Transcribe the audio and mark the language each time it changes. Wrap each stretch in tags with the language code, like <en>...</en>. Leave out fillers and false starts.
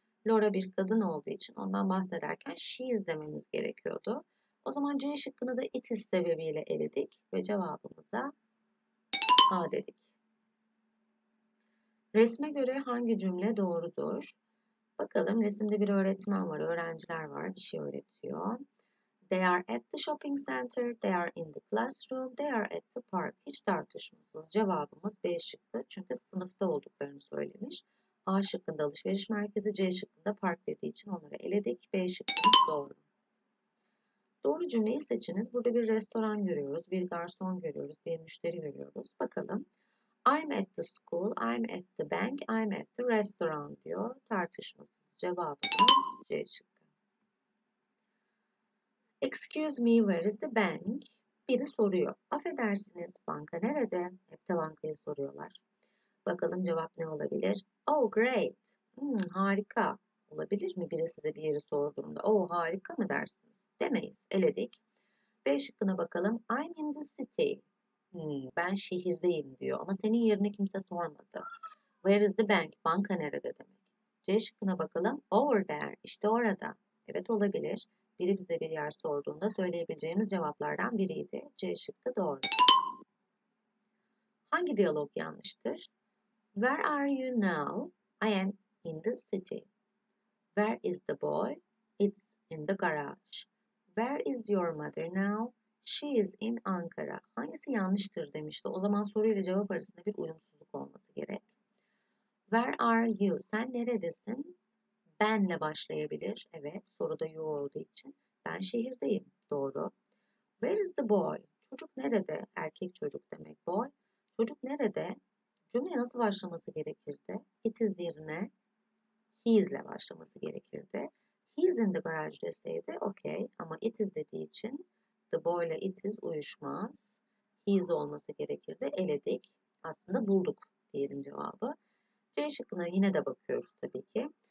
<tr>Laura bir kadın olduğu için ondan bahsederken she is dememiz gerekiyordu. O zaman C şıkkını da it is sebebiyle eledik ve cevabımıza A dedik. Resme göre hangi cümle doğrudur? Bakalım resimde bir öğretmen var, öğrenciler var, bir şey öğretiyor.</tr> <en>They are at the shopping center, they are in the classroom, they are at the park.</en> <tr>Hiç tartışmasız cevabımız B şıkkı çünkü sınıfta olduklarını söylemiş. A şıkkında alışveriş merkezi, C şıkkında park dediği için onları eledik. B şıkkımız doğru. Doğru cümleyi seçiniz. Burada bir restoran görüyoruz, bir garson görüyoruz, bir müşteri görüyoruz. Bakalım.</tr> <en>I'm at the school, I'm at the bank, I'm at the restaurant</en> <tr>diyor. Tartışmasız cevabımız C şıkkı.</tr> <en>Excuse me, where is the bank?</en> <tr>Biri soruyor. Affedersiniz, banka nerede? Hep de bankaya soruyorlar. Bakalım cevap ne olabilir?</tr> <en>Oh, great.</en> <tr>Harika. Olabilir mi biri size bir yeri sorduğunda? Oh, harika mı dersiniz? Demeyiz. Eledik. B şıkkına bakalım.</tr> <en>I'm in the city.</en> <tr>Ben ben şehirdeyim diyor. Ama senin yerini kimse sormadı.</tr> <en>Where is the bank?</en> <tr>Banka nerede demek. C şıkkına bakalım.</tr> <en>Over there.</en> <tr>İşte orada. Evet olabilir. Biri bize bir yer sorduğunda söyleyebileceğimiz cevaplardan biriydi. C şıkkı doğru. Hangi diyalog yanlıştır?</tr> <en>Where are you now? I am in the city. Where is the boy? It's in the garage. Where is your mother now? She is in Ankara.</en> <tr>Hangisi yanlıştır demişti. O zaman soruyla cevap arasında bir uyumsuzluk olması gerek.</tr> <en>Where are you?</en> <tr>Sen neredesin? Benle başlayabilir. Evet, soruda you olduğu için. Ben şehirdeyim. Doğru.</tr> <en>Where is the boy?</en> <tr>Çocuk nerede? Erkek çocuk demek boy. Çocuk nerede? Cümleye nasıl başlaması gerekirdi? It is yerine he is ile başlaması gerekirdi.</tr> <en>He is in the garage</en> <tr>deseydi</tr> <en>okay.</en> <tr>Ama it is dediği için the boy ile it is uyuşmaz. He is olması gerekirdi. Eledik. Aslında bulduk diyelim cevabı. C şıkkına yine de bakıyoruz tabii ki.</tr>